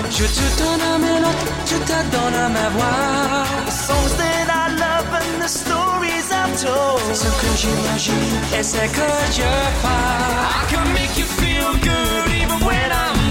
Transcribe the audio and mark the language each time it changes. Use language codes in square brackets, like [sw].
[fr] Je te donne à mes notes, je te donne à ma voix. [en] The songs that I love and the stories I've told. [fr] C'est ce que j'imagine et c'est que je crois. [en] I can make you feel good even when I'm.